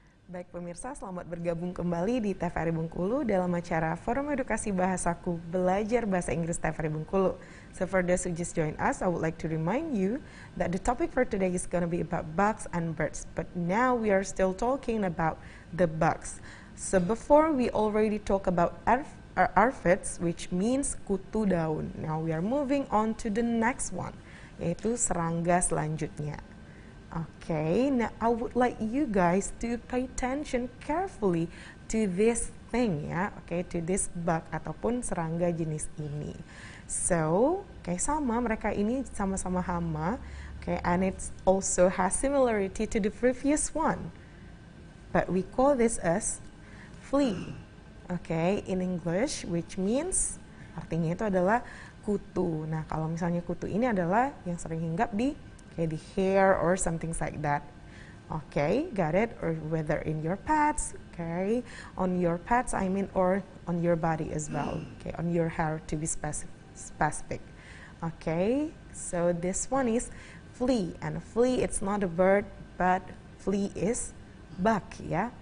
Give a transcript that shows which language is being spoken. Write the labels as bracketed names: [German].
[Indonesian] Pemirsa, selamat bergabung kembali di TVRI Bengkulu dalam acara Forum Edukasi Bahasaku Belajar Bahasa Inggris TVRI Bengkulu. [English] So for those who just joined us, I would like to remind you that the topic for today is going to be about bugs and birds. But now we are still talking about the bugs. So before we already talk about aphids, which means [Indonesian] kutu daun. [English] Now we are moving on to the next one, [Indonesian] yaitu serangga selanjutnya. [English] Okay, now I would like you guys to pay attention carefully to this thing, yeah? Okay, to this bug [Indonesian] ataupun serangga jenis ini. So, okay, sama, mereka ini sama-sama hama. [English] Okay, and it also has similarity to the previous one. But we call this as flea. Okay, in English, which means, [Indonesian] artinya itu adalah kutu. Nah, kalau misalnya kutu ini adalah yang sering hinggap di [English] the hair or something like that. Okay, got it? Or whether in your pets, okay? On your pets, I mean, or on your body as well. Okay, on your hair to be specific. Okay, so this one is flea. And flea, it's not a bird, but flea is bug, yeah?